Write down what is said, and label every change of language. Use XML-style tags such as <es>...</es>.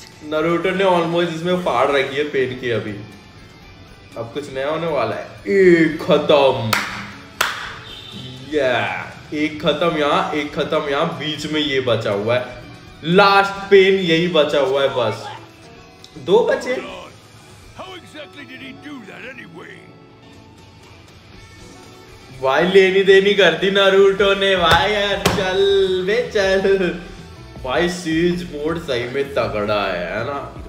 <hi>Naruto ने almost इसमें फाड़ रखी है पेन की। अभी अब कुछ नया होने वाला है। खत्म। या एक खत्म यहाँ एक खत्म यहाँ। बीच में ये बचा हुआ है लास्ट पेन यही बचा हुआ है बस। दो बचे।</hi> <en>How exactly did he do that anyway?</en> <hi>भाई लेनी देनी कर दी नारुतो ने भाई यार, चल बे चल भाई, सीज मोड सही में तगड़ा है ना।</hi>